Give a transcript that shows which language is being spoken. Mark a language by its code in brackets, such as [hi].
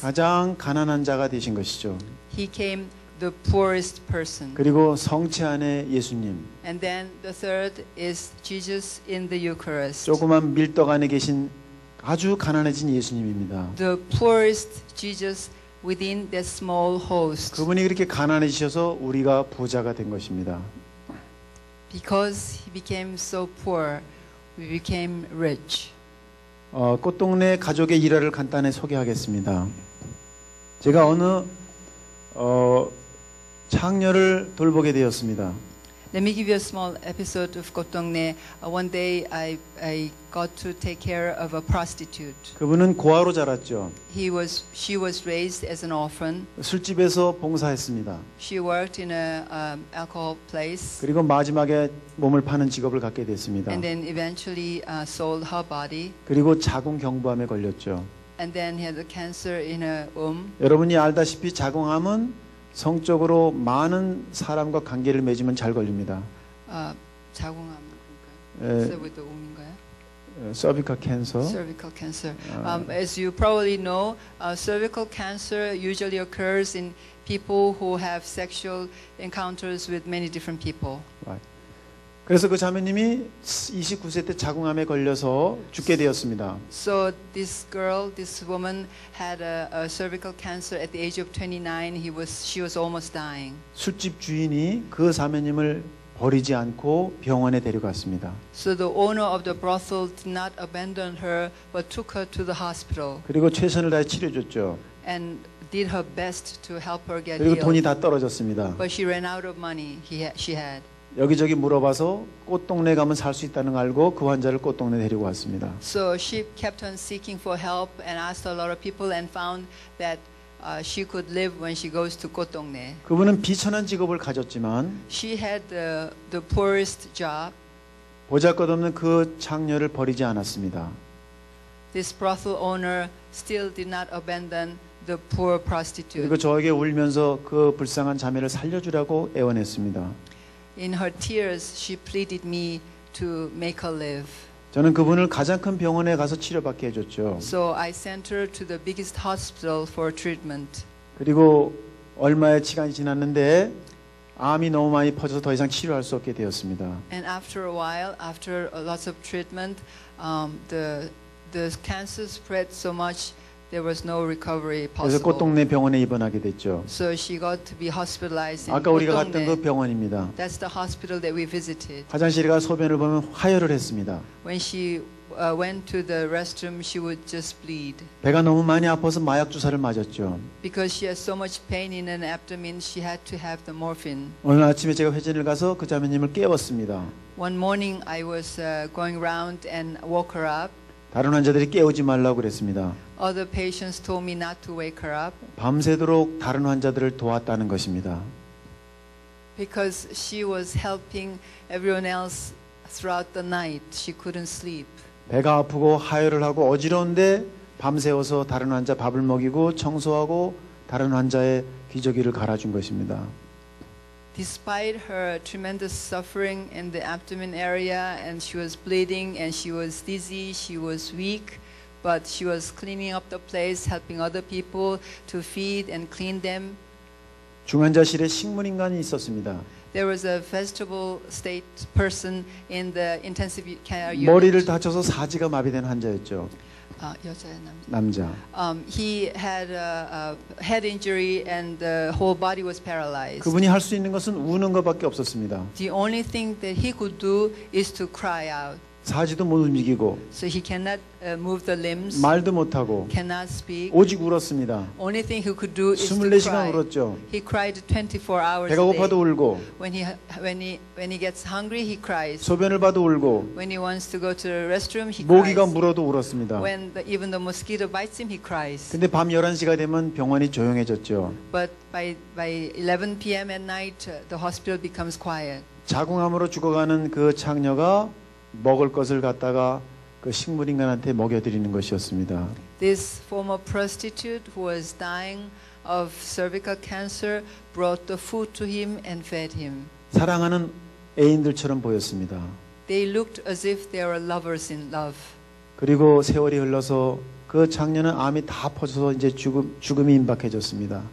[ko] 가장 가난한 자가 되신 것이죠. [en] He came the poorest person. [ko] 그리고 성체 안에 예수님. [en] And then the third is Jesus in the Eucharist. [ko] 조그만 밀떡 안에 계신 아주 가난해진 예수님입니다. [en] The poorest Jesus within the small host. [ko] 그분이 그렇게 가난해지셔서 우리가 부자가 된 것입니다. [en] Because he became so poor, we became rich. [ko] 꽃동네 가족의 일화를 간단히 소개하겠습니다. 제가 어느 창녀를 돌보게 되었습니다. [en] Let me give you a small episode of 꽃동네. One day I got to take care of a prostitute. [ko] 그분은 고아로 자랐죠. [en] She was raised as an orphan. [ko] 술집에서 봉사했습니다. [en] She worked in an alcohol place. [ko] 그리고 마지막에 몸을 파는 직업을 갖게 됐습니다. [en] And then eventually sold her body. [ko] 그리고 자궁경부암에 걸렸죠. [en] And then had a cancer in her womb. [ko] 여러분이 알다시피 자궁암은 성적으로 많은 사람과 관계를 맺으면 잘 걸립니다. 자궁암 그러니까. [en] 서비컬 캔서. Cervical cancer. As you probably know, cervical cancer usually occurs in people who have sexual encounters with many different people. Right. [ko] 그래서 그 자매님이 29세 때 자궁암에 걸려서 죽게 되었습니다. [en] So this girl, this woman had a cervical cancer at the age of 29. She was almost dying. [ko] 술집 주인이 그 자매님을 버리지 않고 병원에 데려갔습니다. [en] So the owner of the brothel did not abandon her but took her to the hospital. [ko] 그리고 최선을 다해 치료 줬죠. [en] And did her best to help her get healed. [ko] 그리고 돈이 다 떨어졌습니다. [en] But she ran out of money she had. [ko] 여기저기 물어봐서 꽃동네 가면 살 수 있다는 걸 알고 그 환자를 꽃동네 데리고 왔습니다. [en] So she kept on seeking for help and asked a lot of people and found that she could live when she goes to 꽃동네. [ko] 그분은 비천한 직업을 가졌지만 [en] she had the poorest job. [ko] 보잘것없는 그 창녀를 버리지 않았습니다. [en] This brothel owner still did not abandon the poor prostitute. [ko] 그리고 저에게 울면서 그 불쌍한 자매를 살려주라고 애원했습니다. [en] In her tears, she pleaded me to make her live. [ko] 저는 그분을 가장 큰 병원에 가서 치료받게 해줬죠. [en] So I sent her to the biggest hospital for treatment. [ko] 그리고 얼마의 시간이 지났는데 암이 너무 많이 퍼져서 더 이상 치료할 수 없게 되었습니다. [en] And after a while, after lots of treatment, the cancer spread so much there was no recovery possible. [ko] 그래서 꽃동네 병원에 입원하게 됐죠. [en] So she got to be hospitalized in [ko] 아까 우리가 갔던 그 병원입니다. [en] That's the hospital that we visited. [ko] 화장실에 가 소변을 보면 화혈을 했습니다. [en] When she went to the restroom, she would just bleed. [ko] 배가 너무 많이 아파서 마약 주사를 맞았죠. [en] Because she has so much pain in her abdomen, she had to have the morphine. [ko] 오늘 아침에 제가 회진을 가서 그 자매님을 깨웠습니다. [en] One morning, I was going around and woke her up. [ko] 다른 환자들이 깨우지 말라고 그랬습니다. [en] Other patients told me not to wake her up. [ko] 밤새도록 다른 환자들을 도왔다는 것입니다. [en] Because she was helping everyone else throughout the night. She couldn't sleep. [ko] 배가 아프고 하혈을 하고 어지러운데 밤새워서 다른 환자 밥을 먹이고 청소하고 다른 환자의 기저귀를 갈아준 것입니다. [en] Despite her tremendous suffering in the abdomen area and she was bleeding and she was dizzy, she was weak, but she was cleaning up the place, helping other people to feed and clean them. [ko] 중환자실에 식물인간이 있었습니다. [en] There was a vegetable state person in the intensive care unit. [ko] 머리를 다쳐서 사지가 마비된 환자였죠. 여자. [en] He had a head injury and the whole body was paralyzed. [ko] 그분이 할 수 있는 것은 우는 것밖에 없었습니다. [en] The only thing that he could do is to cry out. [ko] 사지도 못 움직이고. [en] So he cannot move the limbs. [ko] 말도 못 하고. [en] Cannot speak. [ko] 오직 울었습니다. [en] Only thing he could do is to cry. [ko] 24시간 울었죠. [en] He cried 24 hours a day. [ko] 배가 고파도 울고. [en] When he gets hungry, he cries. [ko] 소변을 봐도 울고. [en] When he wants to go to the restroom, he cries. [ko] 모기가 물어도 울었습니다. [en] When even the mosquito bites him, he cries. [ko] 근데 밤 11시가 되면 병원이 조용해졌죠. [en] But by 11 p.m. at night, the hospital becomes quiet. [ko] 자궁암으로 죽어가는 그 창녀가 먹을 것을 갖다가 그 식물 인간한테 먹여 드리는 것이었습니다. [en] This former prostitute who was dying of cervical cancer brought the food to him and fed him. [ko] 사랑하는 애인들처럼 보였습니다. [en] They looked as if they were lovers in love. [ko] 그리고 세월이 흘러서 그 장녀는 암이 다 퍼져서 이제 죽음이 임박해졌습니다.